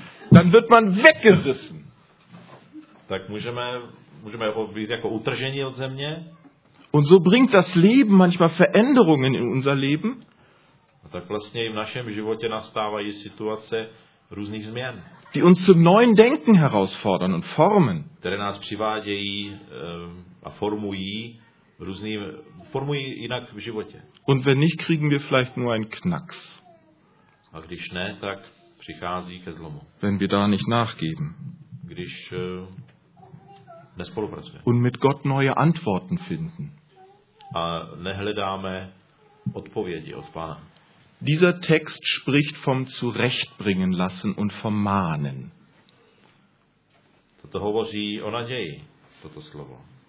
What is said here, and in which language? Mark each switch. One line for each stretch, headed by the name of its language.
German: dann wird man weggerissen.
Czech: Tak můžeme být jako utržení od země.
German: Und so bringt das Leben manchmal Veränderungen in unser Leben.
Czech: A tak vlastně i v našem životě nastávají situace různých změn.
German: Die uns zum neuen Denken herausfordern und formen.
Czech: Které nás přivádějí a formují různým, formují jinak v životě.
German: Und wenn nicht, kriegen wir vielleicht nur einen Knacks.
Czech: A když ne, tak přichází ke zlomu.
German: Wenn wir da nicht nachgeben.
Czech: Když nespolupracujeme.
German: Und mit Gott neue Antworten finden.
Czech: A nehledáme odpovědi od Pána.
German: Dieser Text spricht vom Zurechtbringen lassen und vom Mahnen.
Czech: Toto hovoří o naději, toto slovo.